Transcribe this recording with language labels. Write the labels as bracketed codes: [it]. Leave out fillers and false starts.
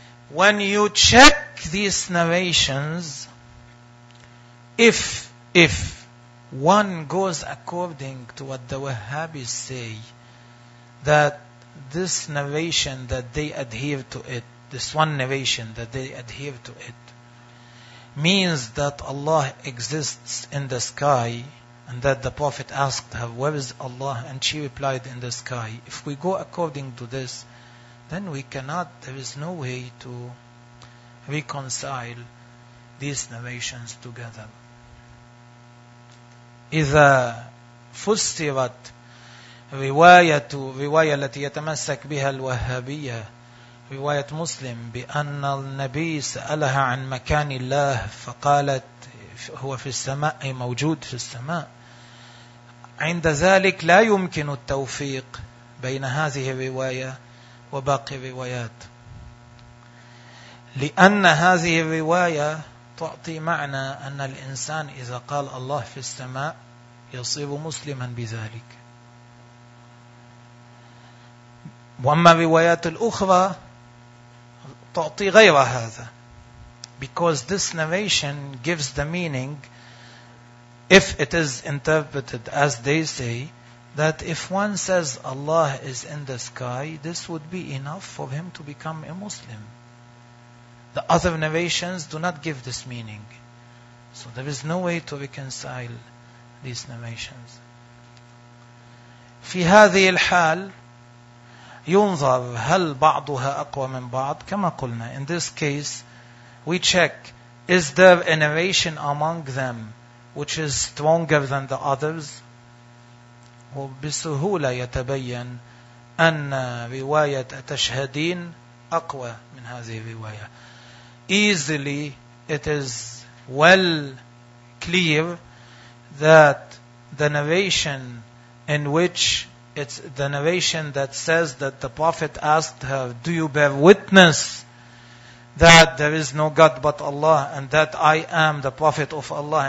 [en] When you check these narrations, if one goes according to what the Wahhabis say, that this narration that they adhere to it, this one narration that they adhere to it, means that Allah exists in the sky, and that the Prophet asked her, "Where is Allah?" And she replied, "In the sky." If we go according to this, then we cannot, there is no way to reconcile these narrations together. [ar] إذا فسرت رواية رواية التي يتمسك بها الوهابية رواية مسلم بأن النبي سألها عن مكان الله فقالت هو في السماء أي موجود في السماء, عند ذلك لا يمكن التوفيق بين هذه الرواية وباقي الروايات, لأن هذه الرواية تعطي معنى أن الإنسان إذا قال الله في السماء يصير مسلما بذلك, وأما الروايات الأخرى تعطي غير هذا. [en] Because this narration gives the meaning, if it is interpreted as they say, that if one says Allah is in the sky, this would be enough for him to become a Muslim. The other narrations do not give this meaning. So there is no way to reconcile these narrations. [ar] في هذه الحال ينظر هل بعضها أقوى من بعض كما قلنا. [en] In this case, we check, is there a narration among them which is stronger than the others? [ar] وبسهولة يتبين أن رواية التشهدين أقوى من هذه الرواية. [en] Easily, it is well clear that the narration in which it's the narration that says that the Prophet asked her, "Do you bear witness that there is no God but Allah and that I am the Prophet of Allah?"